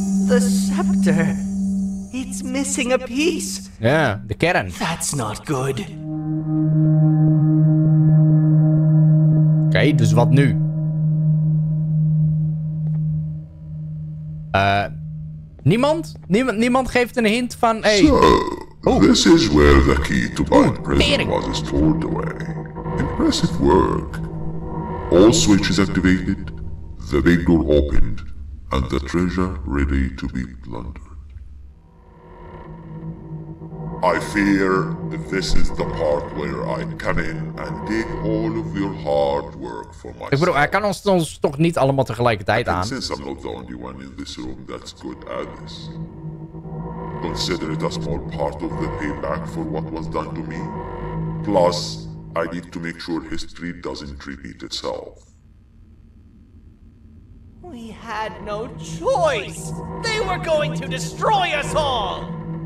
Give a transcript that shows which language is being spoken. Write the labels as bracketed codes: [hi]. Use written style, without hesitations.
[en] The scepter. It's missing a piece. Yeah, the cannon. That's not good. [nl] Okay, dus wat nu? Niemand geeft een hint van... [en] Hey. So, this is where the key to my prison was stored away. Impressive work. All switches activated, the big door opened, and the treasure ready to be plundered. I fear this is the part where I come in and dig all of your hard work for myself. [nl] Ik bedoel, hij kan ons toch niet allemaal tegelijkertijd aan? [en] Since I'm not the only one in this room that's good at this. Consider it a small part of the payback for what was done to me. Plus, I need to make sure history doesn't repeat itself. We had no choice! They were going to destroy us all!